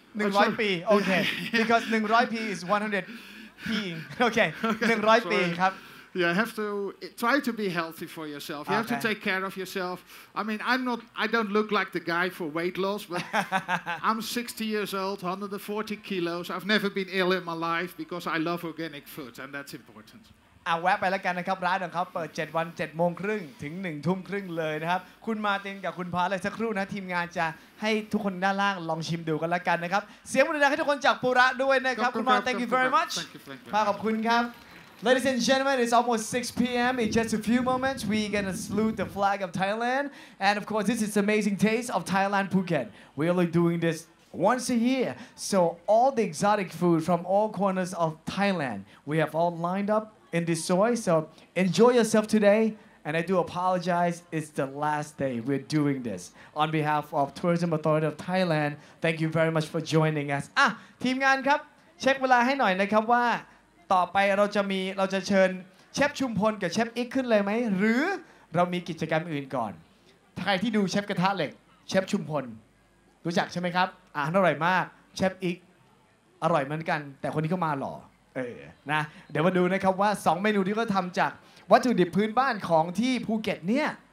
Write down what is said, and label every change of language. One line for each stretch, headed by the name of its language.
English: Nung Roy P, okay. Because Nung Roy P is 100 P. Okay, Nung Roy P, ครับ Yeah, have to try to be healthy for yourself. You have to take care of yourself. I mean, I don't look like the guy for weight loss, but I'm 60 years old, 140 kilos. I've never been ill in my life because I love organic food, and that's important.
Thai: เอาแวะไปแล้วกันนะครับร้านของเขาเปิด7วัน7โมงครึ่งถึง1ทุ่มครึ่งเลยนะครับคุณมาตินกับคุณพาร์ทเลยสักครู่นะทีมงานจะให้ทุกคนด้านล่างลองชิมดูกันแล้วกันนะครับเสียงบรรยากาศให้ทุกคนจากปูระด้วยนะครับคุณมา
English: thank you very much
Thai: ขอบคุณครับ
English: Ladies and gentlemen it's almost 6 p.m. in just a few moments we gonna salute the flag of Thailand and of course this is amazing taste of Thailand Phuket we are doing thisOnce a year, so all the exotic food from all corners of Thailand, we have all lined up in this soy. So enjoy yourself today, and I do apologize, it's the last day we're doing this. On behalf of Tourism Authority of Thailand, thank you very much for joining us.
Thai: Ah, team งานครับเช็คเวลาให้หน่อยนะครับว่าต่อไปเราจะเชิญเชฟชุมพลกับเชฟอิกขึ้นเลยไหมหรือเรามีกิจกรรมอื่นก่อนใครที่ดูเชฟกระทะเหล็กเชฟชุมพลรู้จักใช่ไหมครับอาหารอร่อยมากเชฟอีกอร่อยเหมือนกันแต่คนนี้ก็มาหล่อเออนะเดี๋ยวมาดูนะครับว่า2เมนูที่เขาทำจากวัตถุดิบพื้นบ้านของที่ภูเก็ตเนี่ย